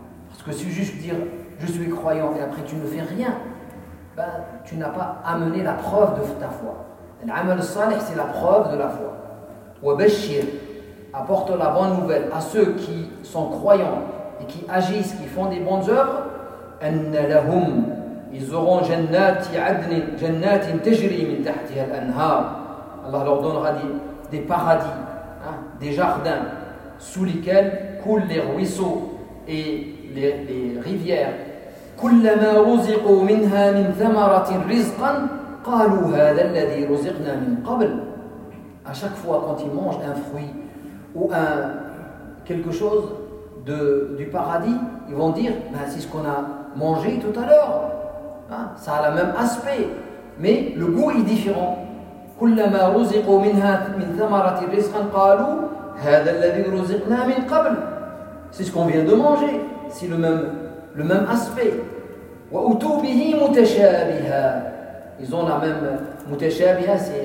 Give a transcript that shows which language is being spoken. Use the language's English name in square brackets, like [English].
[French] Parce que si juste dire je suis croyant et après tu ne fais rien, ben, tu n'as pas amené la preuve de ta foi. [Arabic] العمل الصالح, [French] c'est la preuve de la foi. [Arabic] وبشر, [French] apporte la bonne nouvelle à ceux qui sont croyants et qui agissent, qui font des bonnes œuvres. [Arabic] أن لهم, [French] ils auront [Arabic] جنات عدن, جنات تجري من تحتها الأنهار. [French] Allah leur donnera des paradis, hein, des jardins sous lesquels coulent les ruisseaux et les rivières. [Arabic] كلما رزقوا منها من ثمرة رزقا قالوا هذا الذي رزقنا من قبل. [French] À chaque fois quand ils mangent un fruit ou un quelque chose du paradis, ils vont dire ben, c'est ce qu'on a mangé tout à l'heure. Hein? Ça a le même aspect, mais le goût est différent. [Arabic] كلما رزقوا منها من ثمرة رزقا قالوا هذا الذي رزقنا من قبل. [French] C'est ce qu'on vient de manger. C'est le même aspect. [Arabic] وأتوا به متشابها. [French] Ils ont la même متشابها.